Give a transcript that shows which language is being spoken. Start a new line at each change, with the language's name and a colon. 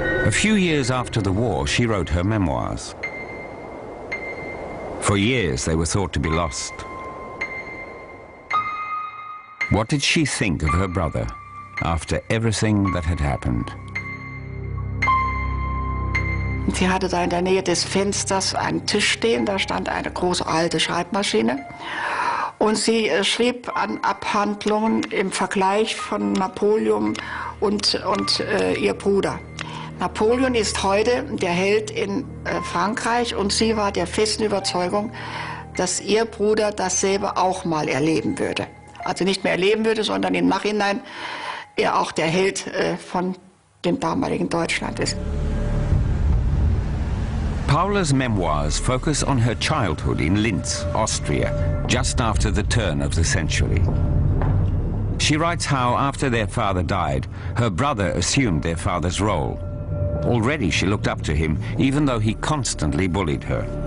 English: A few years after the war, she wrote her memoirs. For years, they were thought to be lost. What did she think of her brother after everything that had happened?
German: Sie hatte da in der Nähe des Fensters einen Tisch stehen, da stand eine große alte Schreibmaschine. Und sie schrieb an Abhandlungen im Vergleich von Napoleon und ihr Bruder. Napoleon ist heute der Held in Frankreich und sie war der festen Überzeugung, dass ihr Bruder dasselbe auch mal erleben würde. Also nicht mehr erleben würde, sondern im Nachhinein er auch der Held von dem damaligen Deutschland ist.
English: Paula's memoirs focus on her childhood in Linz, Austria, just after the turn of the century. She writes how, after their father died, her brother assumed their father's role. Already she looked up to him, even though he constantly bullied her.